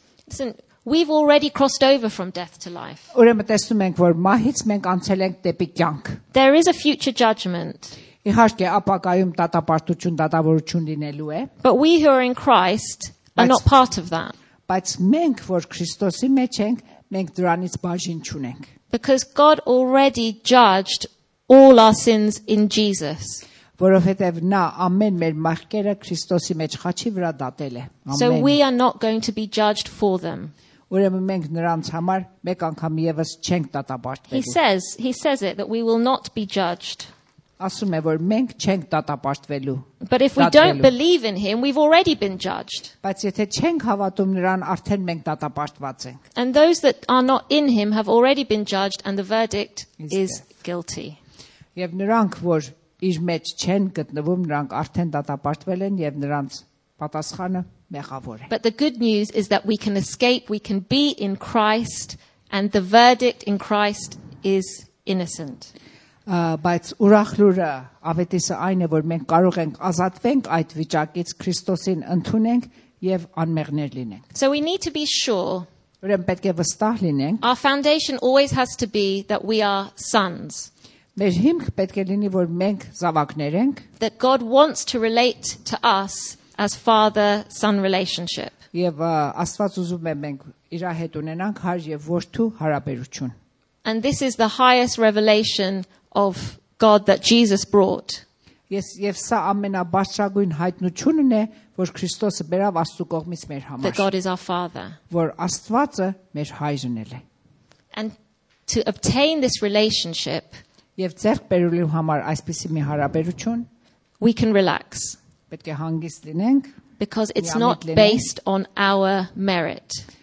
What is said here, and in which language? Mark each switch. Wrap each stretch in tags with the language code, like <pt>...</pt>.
<en>Listen, we've already crossed over from death to life.</en> <hy>Ուրեմն տեսնում ենք, որ մահից մենք անցել ենք դեպի կյանք.</hy> <en>There is a future judgment.</en> <hy>Իհարկե ապագայում դատապարտություն, դատավորություն լինելու է.</hy> <en>But we who are in Christ are not part of that.</en> <hy>Բայց մենք, որ Քրիստոսի մեջ ենք, մենք դրանից բաժին չունենք.</hy> <en>Because God already judged all our sins in Jesus.</en> <hy>Որովհետև նա ամեն մեր մաղկերը Քրիստոսի մեջ խաչի վրա դատել է։</hy> <en>Ամեն։ So we are not going to be judged for them.</en> <hy>Ուրեմն մենք նրանց համար մեկ անգամ եւս չենք դատապարտվելու։</hy> <en>He says it that we will not be judged.</en> <hy>Ասում է, որ մենք չենք դատապարտվելու։</hy> <en>But if we don't believe in him, we've already been judged.</en> <hy>Բայց եթե չենք հավատում նրան, արդեն մենք դատապարտված ենք։</hy> <en>And those that are not in him have already been judged and the verdict is guilty.</en> <hy>Եվ նրանք, որ իր մեջ չեն գտնվում, նրանք արդեն դատապարտվել են եւ նրանց պատասխանը մեղավոր է։</hy> <en>But the good news is that we can escape, we can be in Christ and the verdict in Christ is innocent.</en> <hy>Բայց ուրախ լուրը ավետիսը այն է, որ մենք կարող ենք ազատվենք այդ վիճակից, Քրիստոսին ընդունենք եւ անմեղներ լինենք։</hy> <en>So we need to be sure.</en> <hy>Ուրեմն պետք է վստահ լինենք։</hy> <en>Our foundation always has to be that we are sons.</en> <hy>Մեր հիմքը պետք է լինի, որ մենք զավակներ ենք.</hy> <en>That God wants to relate to us as father-son relationship.</en> <hy>Եվ Աստված ուզում է մենք իր հետ ունենանք հար եւ որդու հարաբերություն.</hy> <en>And this is the highest revelation of God that Jesus brought.</en> <hy>Ես եւ սա ամենաբարձրագույն հայտնությունն է, որ Քրիստոսը բերավ Աստծո կողմից մեր համար.</hy> <en>That God is our father.</en> <hy>Որ Աստվածը մեր հայրն է։</hy> <en>And to obtain this relationship,</en> <hy>Եվ ձեռք բերելու համար այսպիսի մի հարաբերություն</hy> <en>We can relax.</en> <hy>Պետք է հանգիստ լինենք.</hy> <en>Because it's not based on our merit.</en>